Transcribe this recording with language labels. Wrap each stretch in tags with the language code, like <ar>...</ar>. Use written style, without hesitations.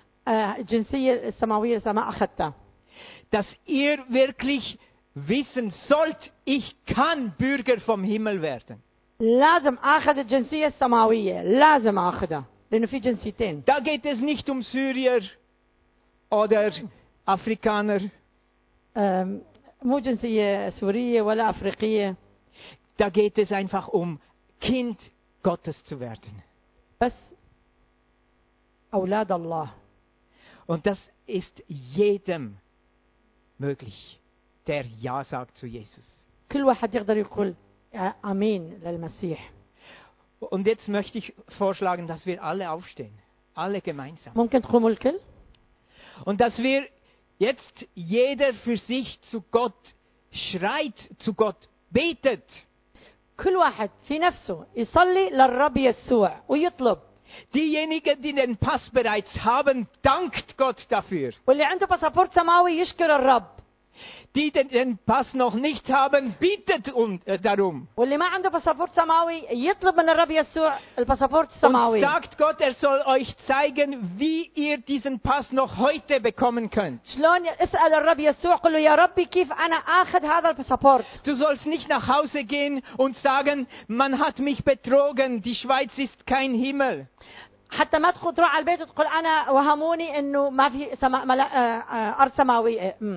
<ar>الجنسية السماوية إذا ما أخذتها.</ar> <de>Dass ihr wirklich wissen sollt, ich kann Bürger vom Himmel werden.</de> <ar>لازم أخذ الجنسية السماوية. لازم أخذها. لأنه في جنسيتين.</ar> <de>Da geht es nicht um Syrer oder Afrikaner.</de> <ar>مو جنسية سورية ولا أفريقية.</ar> <de>Da geht es einfach um Kind Gottes zu werden.</de> <ar>بس أولاد الله.</ar> <de>Und das ist jedem möglich, der Ja sagt zu Jesus.</de> <ar>كل واحد يقدر يقول آمين للمسيح.</ar> <de>Und jetzt möchte ich vorschlagen, dass wir alle aufstehen, alle gemeinsam.</de> <ar>ممكن تقوموا الكل.</ar> <de>Und dass wir jetzt jeder für sich zu Gott schreit, zu Gott betet.</de> <ar>كل واحد في نفسه يصلي للرب يسوع ويطلب.</ar> <de>Diejenigen, die den Pass bereits haben, dankt Gott dafür.</de> <ar>واللي عنده باسبورت سماوي يشكر الرب.</ar> <de>Die den Pass noch nicht haben, bittet darum.</de> <ar>واللي ما عنده باسبورت سماوي يطلب من الرب يسوع الباسبورت السماوي.</ar> <de>Und sagt Gott, er soll euch zeigen, wie ihr diesen Pass noch heute bekommen könnt.</de> <ar>شلون اسأل الرب يسوع قل له يا ربي كيف أنا آخذ هذا الباسبورت.</ar> <de>Du sollst nicht nach Hause gehen und sagen, man hat mich betrogen, die Schweiz ist kein Himmel.</de> <ar>حتى ما تخو تروح على البيت وتقول أنا وهموني إنه ما في أرض سماوية.</ar>